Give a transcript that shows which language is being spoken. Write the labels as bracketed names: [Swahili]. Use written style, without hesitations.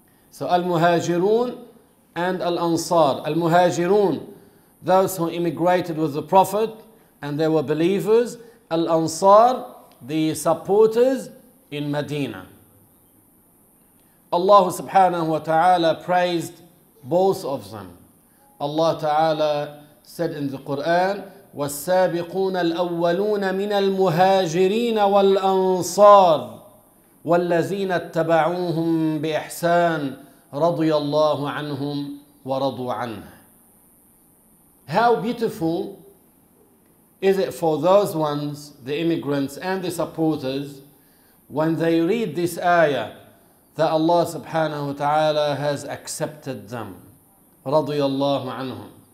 [English] So al-Muhajirun and al-Ansar. Al-Muhajirun, those who immigrated with the Prophet and they were believers. Al-Ansar, the supporters in Medina. Allah subhanahu wa ta'ala praised both of them. Allah ta'ala said in the Quran, [Arabic] وَالسَّابِقُونَ الْأَوَّلُونَ مِنَ الْمُهَاجِرِينَ وَالْأَنصَارِ وَالَّذِينَ اتَّبَعُوهُمْ بِإِحْسَانٍ رَضِيَ اللَّهُ عَنْهُمْ وَرَضُوا عَنْهُ. [English] How beautiful is it for those ones, the immigrants and the supporters, when they read this ayah that Allah subhanahu wa ta'ala has accepted them. [Arabic] رَضِيَ اللَّهُ عَنْهُمْ.